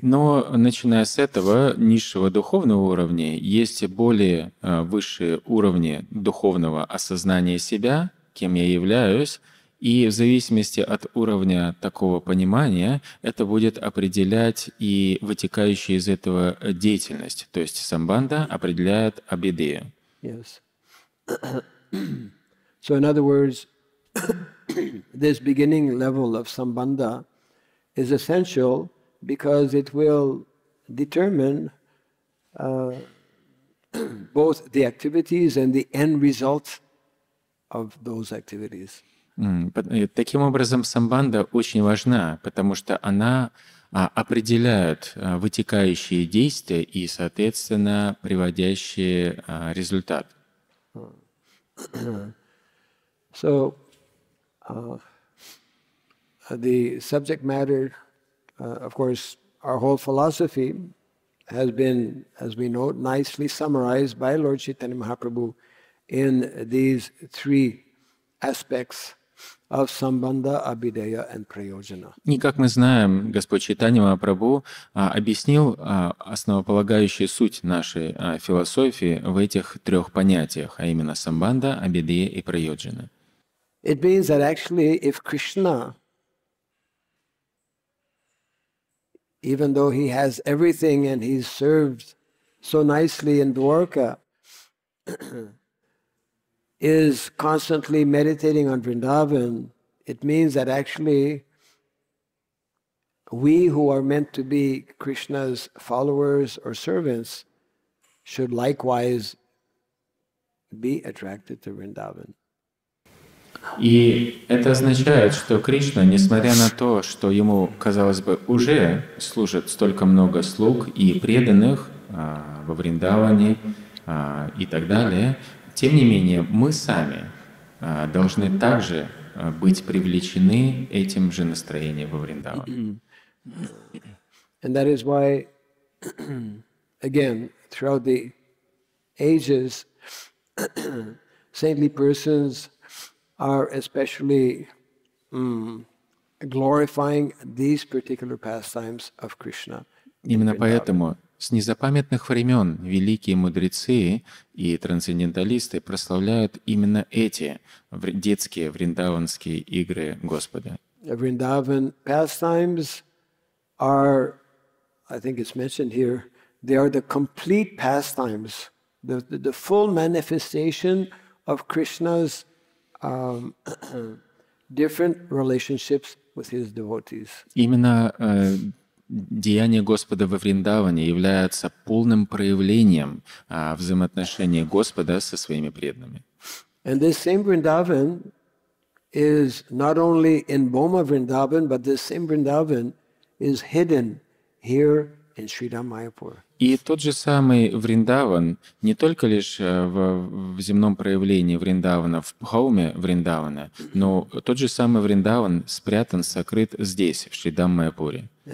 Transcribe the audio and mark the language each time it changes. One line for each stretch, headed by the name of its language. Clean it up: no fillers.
Russian: Но начиная с этого низшего духовного уровня, есть более высшие уровни духовного осознания себя, кем я являюсь, и в зависимости от уровня такого понимания, это будет определять и вытекающая из этого деятельность. То есть самбанда определяет абидею.
English: Yes. So in other words, this beginning level of sambandha is essential because it will determine both the activities and the end result of those activities.
Russian: Таким образом, самбанда очень важна, потому что она определяет вытекающие действия и, соответственно, приводящие результат.
English: So, the subject matter, of course, our whole philosophy has been, as we know, nicely summarized by Lord Chaitanya Mahaprabhu in these three aspects of sambandha, abhideya and prayojana.
Russian: И как мы знаем, Господь Чайтанья Махапрабху объяснил основополагающую суть нашей философии в этих трех понятиях, а именно самбанда, абхидея и прайоджана.
English: It means that actually if Krishna, even though he has everything and he's served so nicely in Dwarka, is constantly meditating on Vrindavan, it means that actually we who are meant to be Krishna's followers or servants should likewise be attracted to Vrindavan.
Russian: И это означает, что Кришна, несмотря на то, что ему, казалось бы, уже служит столько много слуг и преданных во Вриндаване и так далее, тем не менее, мы сами должны также быть привлечены этим же настроением во Вриндаване.
English: And that is why, again, throughout the ages, saintly persons are especially glorifying these particular pastimes of Krishna.
Russian: Именно поэтому с незапамятных времен великие мудрецы и трансценденталисты прославляют именно эти детские вриндаванские игры Господа.
English: Vrindavan pastimes are, I think it's mentioned here, they are the complete pastimes, the full manifestation of Krishna's different relationships with his devotees.
Russian: Именно деяния Господа во Вриндаване являются полным проявлением взаимоотношений Господа со своими преданными.
English: And this same Vrindavan is not only in Boma Vrindavan, but this same Vrindavan is hidden here in Shrimad Bhagavatam.
Russian: И тот же самый Вриндаван не только лишь в земном проявлении Вриндавана, в Пхауме Вриндавана, но тот же самый Вриндаван спрятан, сокрыт здесь, в Шридам Майяпуре.